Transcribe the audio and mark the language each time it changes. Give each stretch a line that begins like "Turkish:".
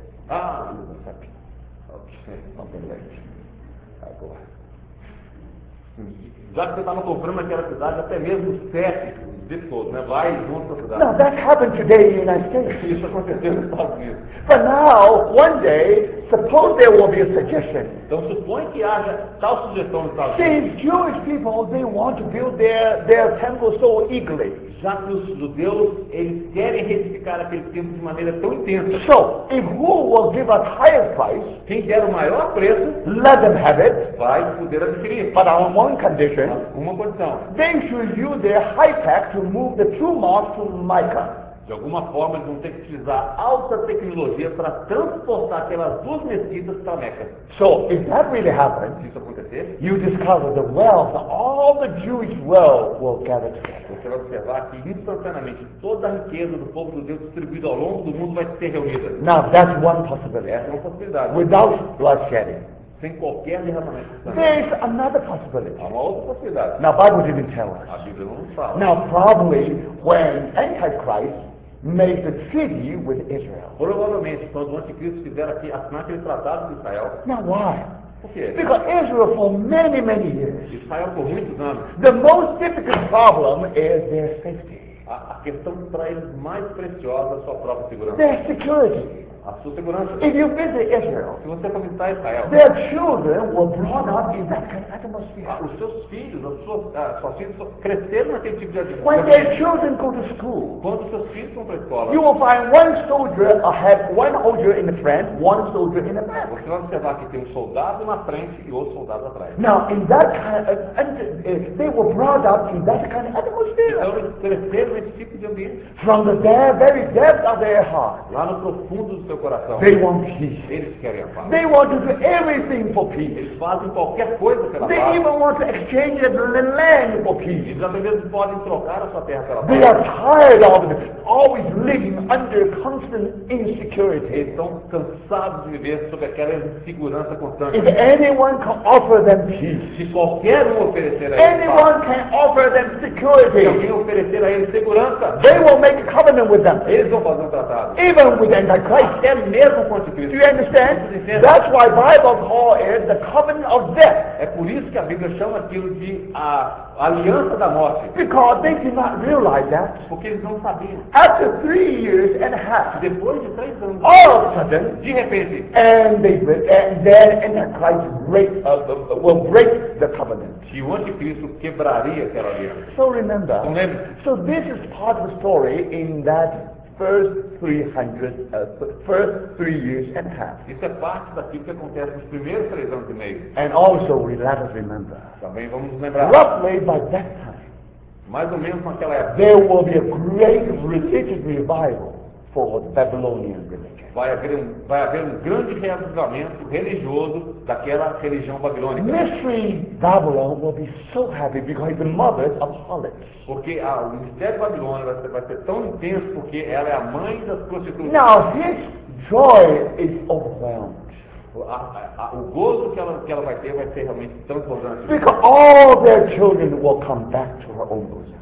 Portuguese: Já que você estava comprando aquela cidade, até mesmo o CEP difficult, né? Vai junto com a cidade.
English: Now, that happened today in the United States.
Portuguese: Isso aconteceu nos Estados Unidos.
English: But now, one day, suppose there will be a suggestion.
Portuguese: Então, supõe que haja tal sugestão nos Estados Unidos.
English: Since Jewish people, they want to build their temple so eagerly.
Portuguese: Já que os judeus, eles querem retificar aquele templo de maneira tão intensa.
English: So, if who will give us higher price,
Portuguese: quem der o maior preço,
English: let them have it,
Portuguese: vai poder adquirir.
English: But on one condition,
Portuguese: uma condição,
English: they should use their high tech to move the true mosque to Mecca.
Portuguese: De alguma forma, eles vão ter que utilizar alta tecnologia para transportar aquelas duas mesquitas para Mecca.
English: So, if that really happens,
Portuguese: se isso acontecer,
English: you discover the wealth, all the Jewish wealth will gather together.
Portuguese: Você vai observar que instantaneamente toda a riqueza do povo judeu distribuída ao longo do mundo vai ser reunida.
English: Now, that's one possibility.
Portuguese: Essa é uma possibilidade.
English: Without blood shedding.
Portuguese: Sem qualquer derramamento.
English: There is another possibility.
Portuguese: Há uma outra possibilidade.
English: Now, Bible didn't tell us.
Portuguese: A Bíblia não nos fala.
English: Now, probably when Antichrist made the treaty with Israel.
Portuguese: Provavelmente quando o Anticristo fizer aqui assinar aquele tratado com Israel.
English: Now, why?
Portuguese: Por quê?
English: Because Israel for many, many years.
Portuguese: Israel por muitos anos.
English: The most difficult problem is their safety.
Portuguese: A questão para eles mais preciosa é a sua própria segurança.
English: Their security.
Portuguese: A sua segurança.
English: If you visit Israel,
Portuguese: se você for visitar Israel,
English: their children were brought up in that kind of atmosphere.
Portuguese: Ah, os seus filhos, as suas filhas cresceram naquele tipo de atmosfera.
English: When their children go to school,
Portuguese: quando os seus filhos vão para a escola,
English: you will find one soldier ahead, one soldier in the front, one soldier in the back.
Portuguese: Você vai observar que tem um soldado na frente e outro soldado atrás.
English: Now, in that kind of, they were brought up in that kind of atmosphere.
Portuguese: Então, eles cresceram nesse tipo de ambiente.
English: From the very depth of their heart,
Portuguese: lá no profundo do seu coração.
English: They want peace.
Portuguese: Eles querem a paz.
English: They want to do everything for peace.
Portuguese: Eles fazem qualquer coisa pela paz.
English: They even want to exchange the land for peace.
Portuguese: Eles até mesmo podem trocar a sua terra pela paz.
English: They are tired of it, always living under constant insecurity.
Portuguese: Eles estão cansados de viver sob aquela insegurança constante.
English: If anyone can offer them peace,
Portuguese: se qualquer um oferecer a eles
English: anyone
Portuguese: paz,
English: can offer them security,
Portuguese: se alguém oferecer a eles segurança,
English: they will make a covenant with them.
Portuguese: Eles vão fazer um tratado.
English: Even with Antichrist.
Portuguese: Até mesmo com o Anticristo.
English: Do you understand? That's why Bible call it the covenant of death.
Portuguese: É por isso que a Bíblia chama aquilo de a aliança da morte.
English: Because they did not realize that.
Portuguese: Porque eles não sabiam.
English: After 3 years and a half.
Portuguese: Depois de 3 anos.
English: All of a sudden.
Portuguese: De repente.
English: And they break, and then Antichrist break, will break the covenant.
Portuguese: E o Anticristo quebraria aquela aliança.
English: So remember.
Portuguese: Então lembre.
English: So this is part of the story in that first three years and a half.
Portuguese: Isso é parte daquilo que acontece nos primeiros 3 anos e meio.
English: And also, we let us remember.
Portuguese: Também vamos lembrar.
English: Roughly by that time.
Portuguese: Mais ou menos naquela época.
English: There will be a great religious revival for the Babylonian religion.
Portuguese: Vai haver um grande reavivamento religioso daquela religião babilônica.
English: Mystery Babylon will be so happy because the mother of harlots.
Portuguese: Porque o mistério de Babilônia vai ser tão intenso porque ela é a mãe das prostitutas.
English: Now his joy is overwhelmed.
Portuguese: O gozo que ela vai ter vai ser realmente transbordante.
English: Because all their children will come back to her own bosom.